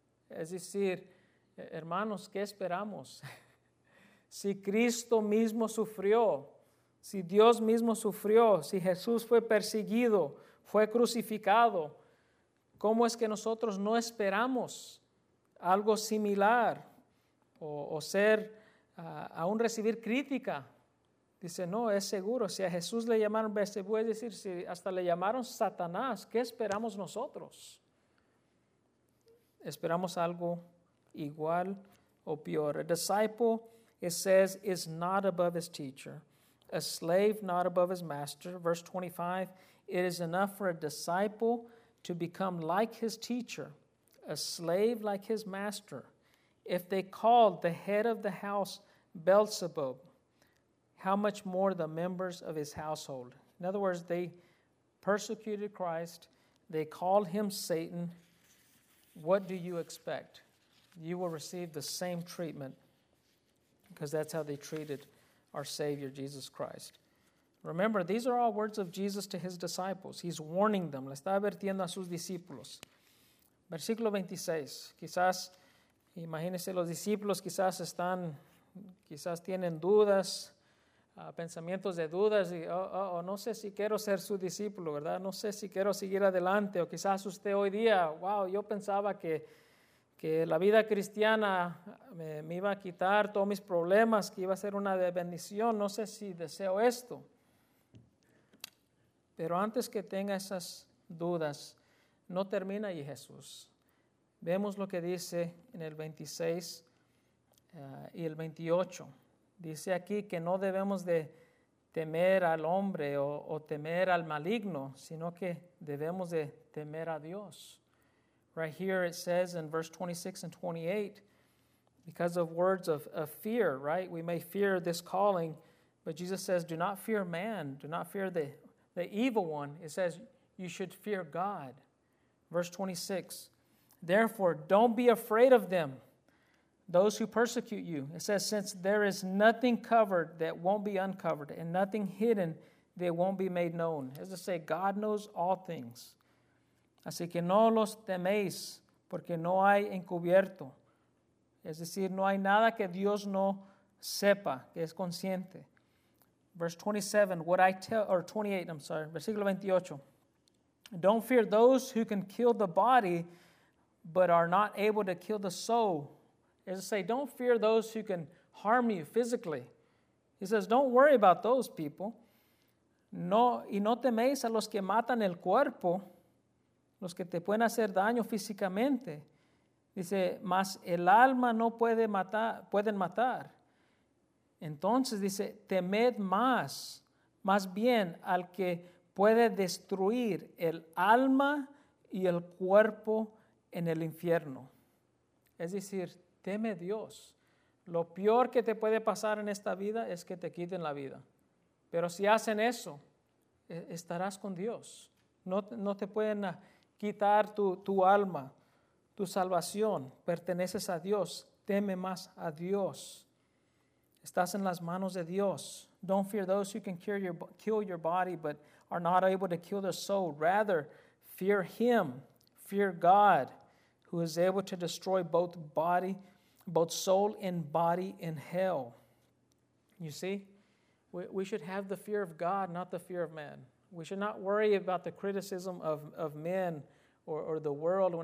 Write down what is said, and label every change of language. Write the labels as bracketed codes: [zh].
[es] Es decir, hermanos, ¿qué esperamos? Si Cristo mismo sufrió, si Dios mismo sufrió, si Jesús fue perseguido, fue crucificado, ¿cómo es que nosotros no esperamos algo similar o ser, aún recibir crítica Dice, no, es seguro. Si a Jesús le llamaron Belcebú, es decir, si hasta le llamaron Satanás, ¿qué esperamos nosotros? Esperamos algo igual o peor. [en] A disciple, it says, is not above his teacher. A slave, not above his master. Verse 25, it is enough for a disciple to become like his teacher, a slave like his master. If they called the head of the house Belzebub, how much more the members of his household? In other words, they persecuted Christ. They called him Satan. What do you expect? You will receive the same treatment because that's how they treated our Savior, Jesus Christ. Remember, these are all words of Jesus to his disciples. He's warning them. [es] Le está advirtiendo a sus discípulos. Versículo 26. Quizás, imagínense, los discípulos quizás están, quizás tienen dudas, pensamientos de dudas. Y, no sé si quiero ser su discípulo, ¿verdad? No sé si quiero seguir adelante. O quizás usted hoy día, wow, yo pensaba que la vida cristiana me iba a quitar todos mis problemas, que iba a ser una bendición. No sé si deseo esto. Pero antes que tenga esas dudas, no termina ahí Jesús. Vemos lo que dice en el 26 y el 28. Dice aquí que no debemos de temer al hombre o temer al maligno, sino que debemos de temer a Dios. [en] Right here it says in verse 26 and 28, because of words of fear, right? We may fear this calling, but Jesus says, do not fear man, do not fear the evil one. It says, you should fear God. Verse 26, therefore, don't be afraid of them, those who persecute you. It says, since there is nothing covered that won't be uncovered, and nothing hidden that won't be made known. As I say, God knows all things. [es] Así que no los teméis, porque no hay encubierto. Es decir, no hay nada que Dios no sepa, que es consciente. [en] Verse 27, what I tell, or 28, I'm sorry, [es] versículo 28. [en] Don't fear those who can kill the body, but are not able to kill the soul. As I say, don't fear those who can harm you physically. He says, don't worry about those people. [es] No, y no teméis a los que matan el cuerpo, los que te pueden hacer daño físicamente. Dice, mas el alma no puede matar, pueden matar. Entonces dice, temed más bien al que puede destruir el alma y el cuerpo en el infierno. Es decir, teme a Dios. Lo peor que te puede pasar en esta vida es que te quiten la vida. Pero si hacen eso, estarás con Dios. No te pueden quitar tu alma, tu salvación. Perteneces a Dios. Teme más a Dios. Estás en las manos de Dios. [en] Don't fear those who can kill your body but are not able to kill their soul. Rather, fear him. Fear God who is able to destroy both soul and body in hell. You see? We should have the fear of God, not the fear of man. We should not worry about the criticism of men or the world.